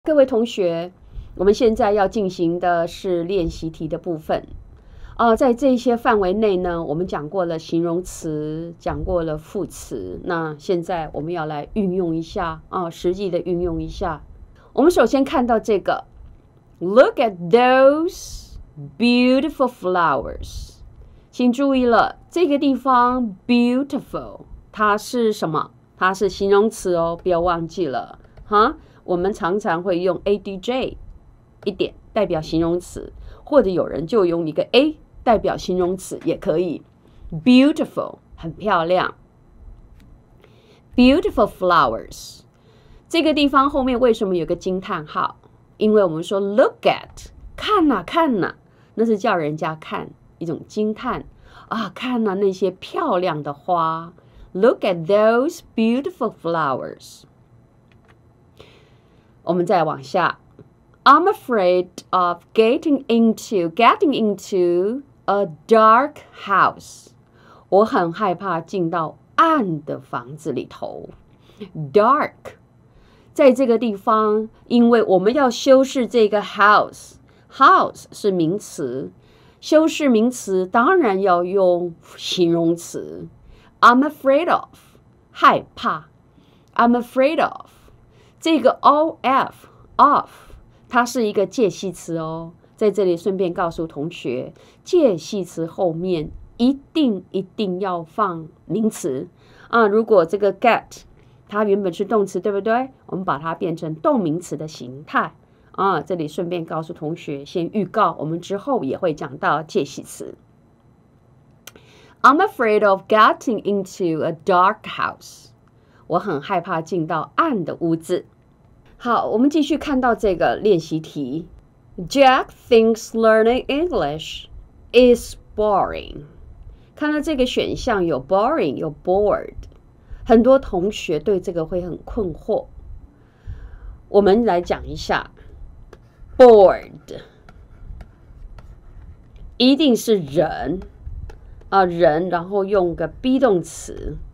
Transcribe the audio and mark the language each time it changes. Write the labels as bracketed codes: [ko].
[zh] 各位同学，我们现在要进行的是练习题的部分。在这些范围内呢，我们讲过了形容词，讲过了副词。那现在我们要来运用一下啊，实际的运用一下。我们首先看到这个 ， [en] Look at those beautiful flowers。 [zh] 请注意了，这个地方 beautiful 它是什么？它是形容词哦，不要忘记了哈。我们常常会用 adj 一点代表形容词，或者有人就用一个 a 代表形容词也可以。 Beautiful 很漂亮。 [en] Beautiful flowers [zh] 这个地方后面为什么有个惊叹号？因为我们说 look at 看哪、看哪，那是叫人家看一种惊叹啊，看哪那些漂亮的花。 [en] Look at those beautiful flowers。 [zh] 我们再往下 [en] ，I'm afraid of getting into a dark house。 [zh] 我很害怕进到暗的房子里头。 Dark， 在这个地方，因为我们要修饰这个 house 是名词，修饰名词当然要用形容词。 [en] I'm afraid of， [zh] 害怕。 [en] I'm afraid of。 [zh] 这个 of 它是一个介系词哦，在这里顺便告诉同学，介系词后面一定要放名词啊。如果这个 get 它原本是动词，对不对？我们把它变成动名词的形态啊。这里顺便告诉同学，先预告我们之后也会讲到介系词。 [en] I'm afraid of getting into a dark house。 [zh] 我很害怕进到暗的屋子。好，我们继续看到这个练习题。 [en] Jack thinks learning English is boring。 [zh] 看到这个选项有 boring， 有 bored。很多同学对这个会很困惑。我们来讲一下 ，bored 一定是人啊，人，然后用个 be 动词。